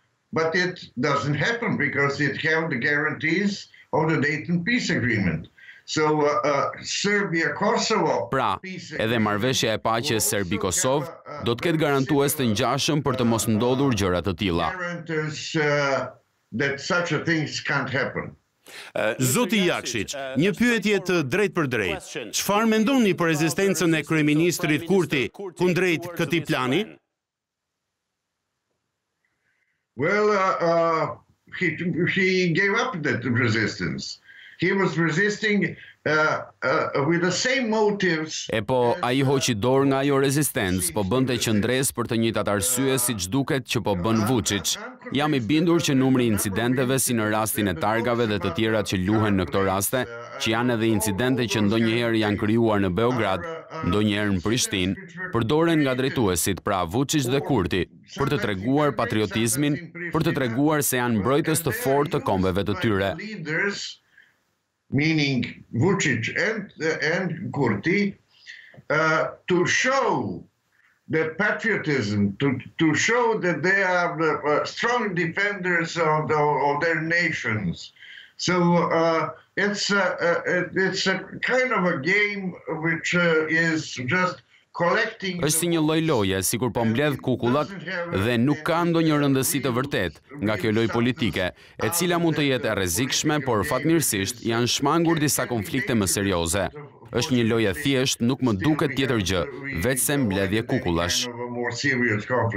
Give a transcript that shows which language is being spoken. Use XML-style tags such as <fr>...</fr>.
<en>But it doesn't happen because it held the guarantees of the Dayton Peace Agreement. So Serbia-Kosovo.</en> <sq>Pra, edhe marrëveshja e paqes Serbi-Kosov do të ketë garantues të ngjashëm për të mos ndodhur gjëra të tilla.</sq> <en>That such a thing can't happen.</en> <sq>Zoti Jakshiç, një pyetje të drejtë për drejtë. Çfarë mendoni për rezistencën e kryeministrit Kurti kundrejt këtij plani?</sq> <en>Well, he gave up that resistance. He was resisting with the same motives.</en> <sq>E po, ai hoqi dorë nga ajo rezistencë, po bënte qëndres për të njëjtat arsye siç duket që po bën Vučić. Jam i bindur që numri i incidenteve si në rastin e targave dhe të tjerat që luhen në këto raste, që janë edhe incidente që ndonjëherë janë krijuar në Beograd, ndonjëherë në Prishtinë, përdoren nga drejtuesit, pra Vučić dhe Kurti, për të treguar patriotizmin, për të treguar se janë mbrojtës të fortë të kombeve të tyre.</sq> <en>Meaning Vučić and Kurti to show the patriotism, to show that they are strong defenders of their nations. So it's a kind of a game which is just</en> <sq>është si një lloj loje, sikur po mbledh kukullat dhe nuk ka ndonjë rëndësi të vërtetë nga kjo lloj politike, e cila mund të jetë e rrezikshme, por fatmirësisht janë shmangur disa konflikte më serioze. Është një lojë thjesht, nuk më duket tjetër gjë, vetëm mbledhje kukullash.</sq>